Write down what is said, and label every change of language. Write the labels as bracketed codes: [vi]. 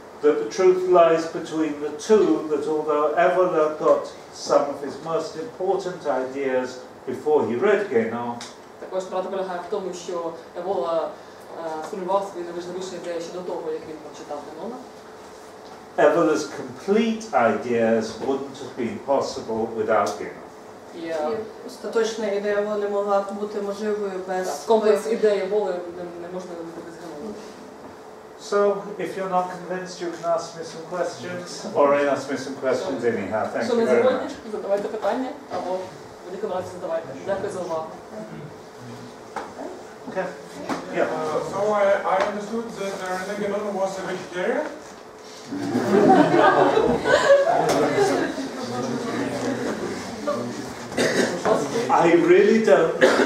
[en] That the truth lies between the two, that although Evola got some of his most important ideas before he read Genon. [uk] Також правда полягає в тому, що Евола сформував свої найважливіші ідеї ще до того, як він прочитав Генона. [en] Evola's complete ideas wouldn't have been possible without Genon. [uk] Остаточна ідея Еволи не могла бути можливою без... Комплекс ідеї Еволи не можна не бути без Генона. [en] So, if you're not convinced, you can ask me some questions, or ask me some questions anyhow. Thank you very much. [uk] Задавайте питання, або велика радість задавайте. Дякую за увагу. [en] Okay. Yeah. So, I understood that Rene Genon was a vegetarian? I really don't.